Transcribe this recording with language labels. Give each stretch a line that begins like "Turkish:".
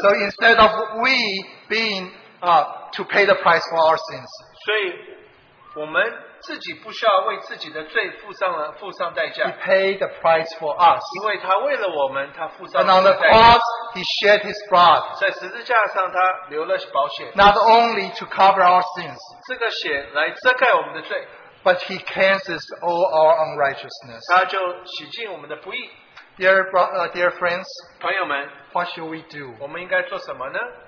English: so instead of we being to pay the price for our sins,
Chinese: 所以我们自己不需要为自己的罪付上代价,
English: he paid the price for us.
Chinese: 因为他为了我们,
English: and on the cross, he shed his blood.
Chinese: 在十字架上他流了宝血,
English: not only to cover our sins,
Chinese: 这个血来遮盖我们的罪,
English: but he cleanses all our unrighteousness.
Chinese: 他就洗净我们的不义,
English: dear friends,
Chinese: 朋友们,
English: what should we do?
Chinese: 我们应该做什么呢?